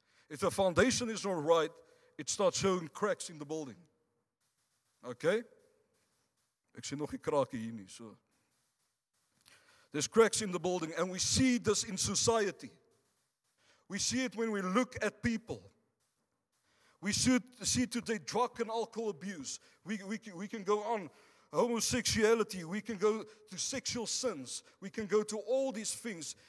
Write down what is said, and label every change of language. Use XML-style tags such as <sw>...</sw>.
<en>If the foundation is not right, it starts showing cracks in the building. Okay?</en> <af>Ek sien nog 'n kraakie hier nie, so.</af> <en>There's cracks in the building, and we see this in society. We see it when we look at people. We see today drug and alcohol abuse. We can go on homosexuality. We can go to sexual sins. We can go to all these things.</en>